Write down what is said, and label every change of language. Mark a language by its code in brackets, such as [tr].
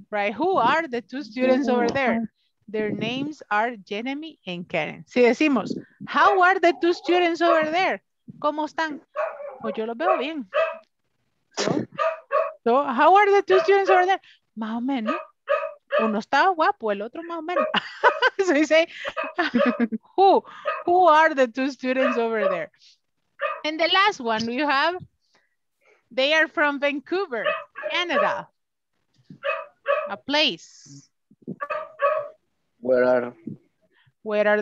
[en] right? Who are the two students over there? Their names are Jeremy and Karen. [es] Si decimos, [en] how are the two students over there? [es] ¿Cómo están? Pues yo los veo bien. [en] So, how are the two students over there? [es] Más o menos. Uno estaba guapo, el otro más o menos. [en] So you say, who are the two students over there? And the last one you have, they are from Vancouver, Canada. A place. Where are